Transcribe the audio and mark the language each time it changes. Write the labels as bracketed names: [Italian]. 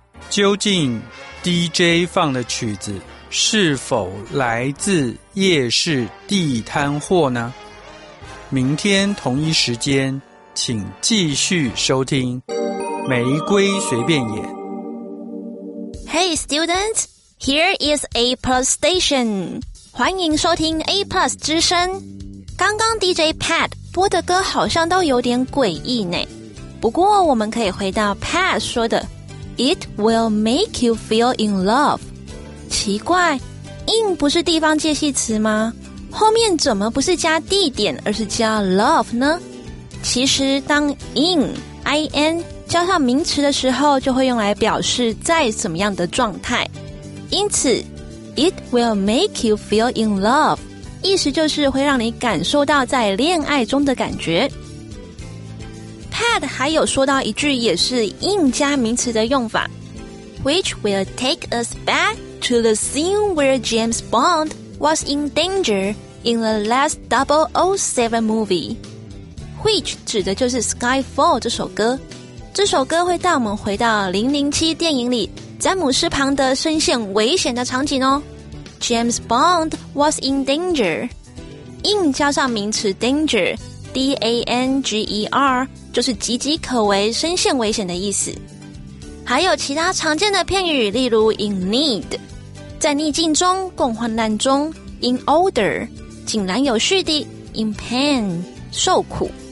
[Chinese] 究竟 DJ 放的曲子是否来自夜市地摊货呢？明天同一时间，请继续收听《玫瑰随便演》。 [English] Hey students, here is A Plus Station. [Chinese] 欢迎收听 A Plus 之声。刚刚 DJ Pat 播的歌好像都有点诡异呢。不过我们可以回到 Pat 说的 ， [English] It will make you feel in love。 [Chinese] 奇怪 ，in 不是地方介系词吗？后面怎么不是加地点，而是加 love 呢？其实当 in 加上名词的时候，就会用来表示在什么样的状态。因此 ， [English] It will make you feel in love， [Chinese] 意思就是会让你感受到在恋爱中的感觉。 Pat 还有说到一句也是 in 加名词的用法 ， [English] Which will take us back to the scene where James Bond was in danger in the last 007 movie。 [Chinese] Which 指的就是 Skyfall 这首歌。这首歌会带我们回到007电影里詹姆斯庞德身陷危险的场景哦。 [English] James Bond was in danger. [Chinese] In 加上名词 danger, D-A-N-G-E-R, 就是岌岌可危身陷危险的意思。还有其他常见的片语例如 in need, 在逆境中共患难中 in order, 井然有序地 in pain, 受苦。